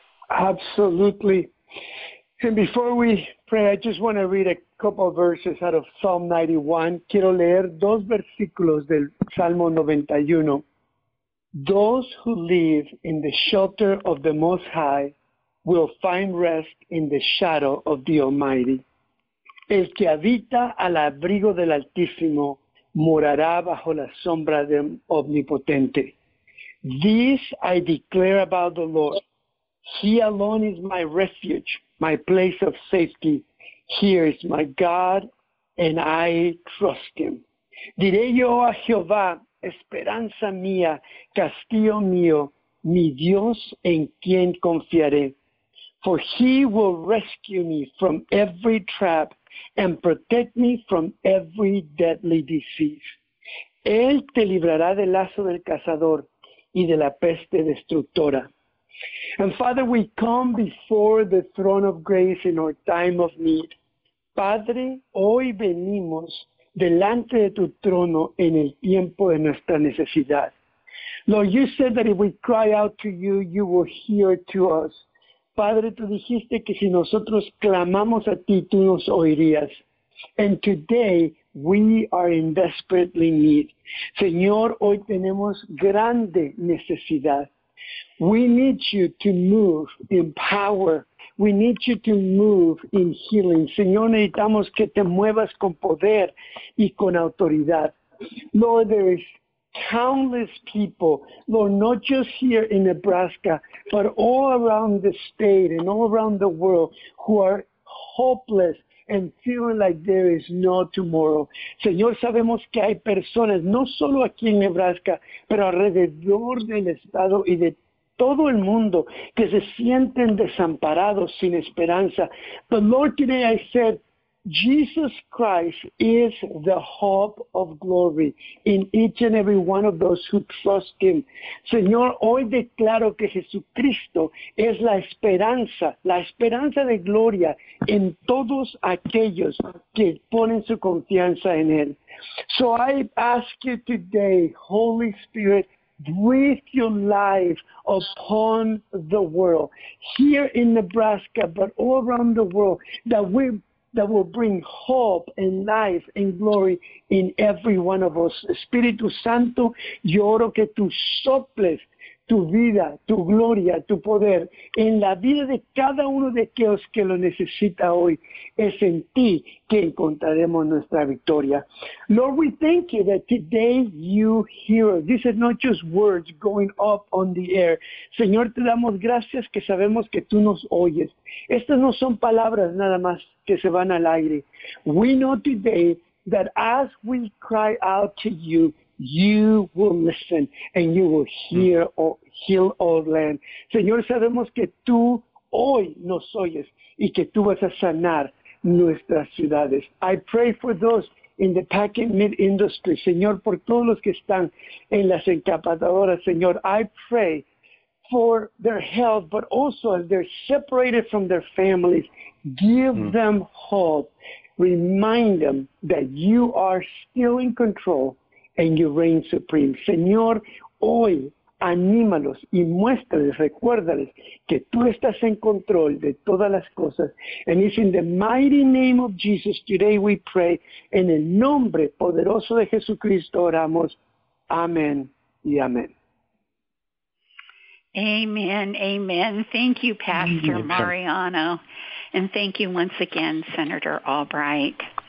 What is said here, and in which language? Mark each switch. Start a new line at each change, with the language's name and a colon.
English: Absolutely. And before we pray, I just want to read a couple of verses out of Psalm 91.
Spanish: Quiero leer dos versículos del Salmo 91.
English: Those who live in the shelter of the Most High will find rest in the shadow of the Almighty.
Spanish: El que habita al abrigo del Altísimo morará bajo la sombra del Omnipotente.
English: This I declare about the Lord. He alone is my refuge, my place of safety. He is my God, and I trust him.
Spanish: Diré yo a Jehová, esperanza mía, castillo mío, mi Dios en quien confiaré.
English: For he will rescue me from every trap and protect me from every deadly disease.
Spanish: Él te librará del lazo del cazador y de la peste destructora.
English: And Father, we come before the throne of grace in our time of need.
Spanish: Padre, hoy venimos delante de tu trono en el tiempo de nuestra necesidad.
English: Lord, you said that if we cry out to you, you will hear to us.
Spanish: Padre, tú dijiste que si nosotros clamamos a ti, tú nos oirías.
English: And today, we are in desperately need.
Spanish: Señor, hoy tenemos grande necesidad.
English: We need you to move in power. We need you to move in healing.
Spanish: Señor, necesitamos que te muevas con poder y con autoridad.
English: Lord, there is countless people, Lord, not just here in Nebraska, but all around the state and all around the world who are hopeless and feeling like there is no tomorrow.
Spanish: Señor, sabemos que hay personas, no solo aquí en Nebraska, pero alrededor del estado y de todo el mundo, que se sienten desamparados, sin esperanza.
English: But Lord, today I said, Jesus Christ is the hope of glory in each and every one of those who trust him.
Spanish: Señor, hoy declaro que Jesucristo es la esperanza de gloria en todos aquellos que ponen su confianza en él.
English: So I ask you today, Holy Spirit, breathe your life upon the world, here in Nebraska, but all around the world, that will bring hope and life and glory in every one of us.
Spanish: Espíritu Santo, yo oro que tú soples tu vida, tu gloria, tu poder en la vida de cada uno de aquellos que lo necesita hoy. Es en ti que encontraremos nuestra victoria.
English: Lord, we thank you that today you hear us. This is not just words going up on the air.
Spanish: Señor, te damos gracias que sabemos que tú nos oyes. Estas no son palabras nada más que se van al aire.
English: We know today that as we cry out to you, you will listen and you will hear or heal our land.
Spanish: Señor, sabemos que tú hoy nos oyes y que tú vas a sanar nuestras ciudades.
English: I pray for those in the packing meat industry.
Spanish: Señor, por todos los que están en las encapadoras, Señor,
English: I pray for their health, but also as they're separated from their families, give them hope. Remind them that you are still in control and you reign supreme.
Spanish: Señor, hoy, anímalos y muéstrales, recuérdales que tú estás en control de todas las cosas.
English: And it's in the mighty name of Jesus today we pray.
Spanish: En el nombre poderoso de Jesucristo oramos. Amén y amén.
English: Amen, amen. Thank you, Pastor Mariano. And thank you once again, Senator Albright.